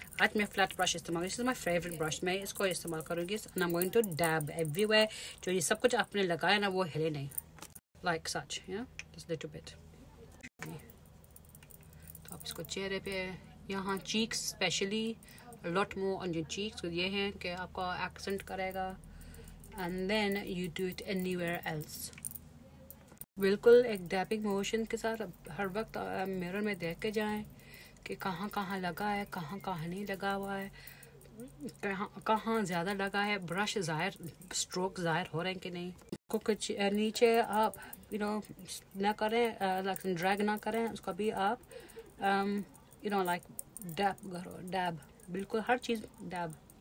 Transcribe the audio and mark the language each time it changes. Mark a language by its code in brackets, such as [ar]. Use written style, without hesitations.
[hi] आज मैं flat brush इस्तेमाल करूँ, [en] This is my favourite brush. [hi] मैं इसको इस्तेमाल करूँगी [en] And I am going to dab everywhere. [hi] जो ये सब कुछ आपने लगाया ना वो हिले नहीं, [en] Like such. Just little bit. [hi] तो आप इसको चेहरे पे, यहाँ cheeks specially, [en] lot more on your cheeks. [hi] ये है कि आपका accent करेगा [en] and then you do it anywhere else. [hi] बिल्कुल एक dabbing motion के साथ हर वक्त mirror में देख के जाएँ कि कहाँ कहाँ लगा है, कहाँ कहाँ नहीं लगा हुआ है, कहाँ ज़्यादा लगा है, brush ज़ाहिर stroke ज़ाहिर हो रहे हैं कि नहीं. उसको कुछ नीचे आप यू नो ना करें, like drag ना करें उसको भी आप यू नो लाइक dab करो, dab बिल्कुल हर चीज डैब.